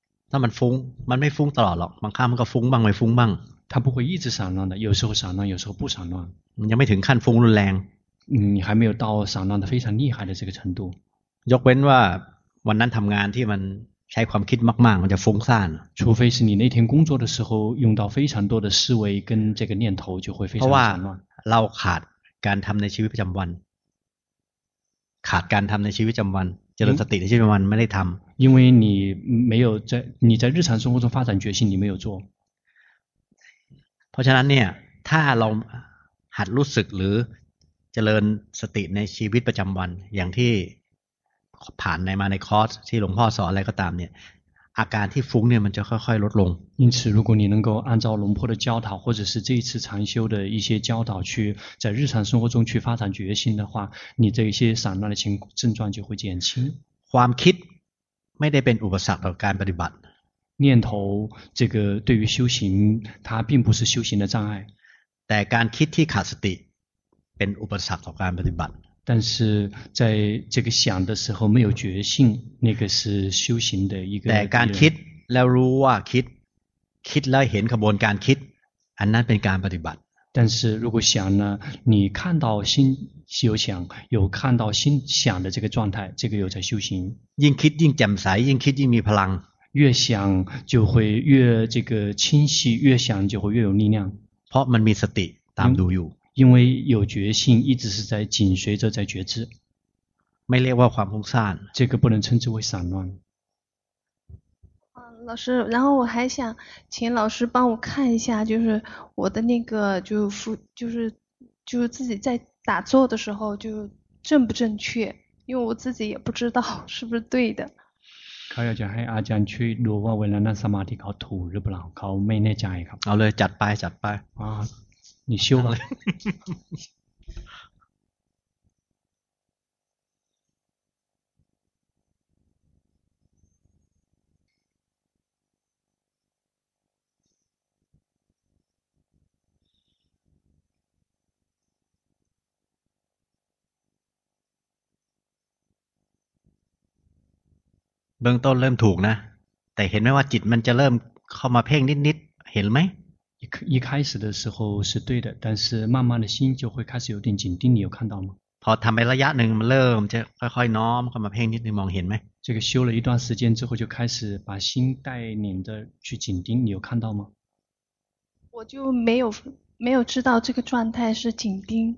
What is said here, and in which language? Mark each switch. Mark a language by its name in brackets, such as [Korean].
[Thai] ถ้ามันฟุ้งมันไม่ฟุ้งตลอดหรอกบางครั้งมันก็ฟุ้งบ้างไม่ฟุ้งบ้าง [Chinese] 他不会一直散乱的有时候散乱有时候不散乱 [Thai] ยังไม่ถึงขั้นฟุ้งรุนแรง [Chinese] 你还没有到散乱的非常厉害的这个程度 [Thai] ยกเว้นว่าวันนั้นทำงานที่มัน ใช้ความคิดมากๆมันจะฟุ้งซ่าน [Chinese] 除非是你那天工作的时候用到非常多的思维跟这个念头就会非常乱。 [Thai] เพราะว่าเราขาดการทำในชีวิตประจำวันขาดการทำในชีวิตประจำวันเจริญสติในชีวิตประจำวันไม่ได้ทำ [Chinese] 因为你没有在你在日常生活中发展决心你没有做 [Thai] เพราะฉะนั้นเนี่ยถ้าเราหัดรู้สึกหรือเจริญสติในชีวิตประจำวันอย่างที่ผ่านในมาในคอร์สที่หลวงพ่อสอนอะไรก็ตามเนี่ยอาการที่ฟุ้งเนี่ยมันจะค่อยๆลดลง [Chinese] 因此如果你能够按照龙坡的教导或者是这一次禅修的一些教导去在日常生活中去发展决心的话你这一些散乱的情症状就会减轻 [Thai] ความคิดไม่ได้เป็นอุปสรรคต่อการปฏิบัติ [Chinese] 念头这个对于修行它并不是修行的障碍 [Thai] แต่การคิดที่ขาดสติเป็นอุปสรรคต่อการปฏิบัติ [Chinese] 但是在这个想的时候没有觉性那个是修行的一个 [Thai] แต่การคิดแล้วรู้ว่าคิดคิดแล้วเห็นกระบวนการคิดอันนั้นเป็นการปฏิบัติ [Chinese] 但是如果想呢你看到心有想有看到心想的这个状态这个有在修行 [Thai] ยิ่งคิดยิ่งแจ่มใสยิ่งคิดยิ่งมีพลัง [Chinese] 越想就会越这个清晰越想就会越有力量 [Thai] เพราะมันมีสติตามดูอยู่ [Chinese] 因为有觉性一直是在紧随着在觉知 [Thai] ไม่เรียกว่าความฟุ้งซ่าน [Chinese] 这个不能称之为散乱老师然后我还想请老师帮我看一下就是我的那个就是自己在打坐的时候就正不正确因为我自己也不知道是不是对的 [Thai] เขาอยากจะให้อาจารย์ช่วยดูว่าเวลานั่งสมาธิเขาถูกหรือเปล่าเขาไม่แน่ใจครับ เอาเลยจัดไปจัดไป [Chinese] 你修吧 [Thai] เบื้องต้นเริ่มถูกนะแต่เห็นไหมว่าจิตมันจะเริ่มเข้ามาเพ่งนิดๆเห็นไหม [Chinese] 一开始的时候是对的但是慢慢的心就会开始有点紧盯你有看到吗 [Thai] พอทำไประยะหนึ่งมันเริ่มจะค่อยๆน้อมเข้ามาเพ่งนิดนึงมองเห็นไหม [Chinese] 这个修了一段时间之后就开始把心带领着去紧盯你有看到吗我就没有知道这个状态是紧盯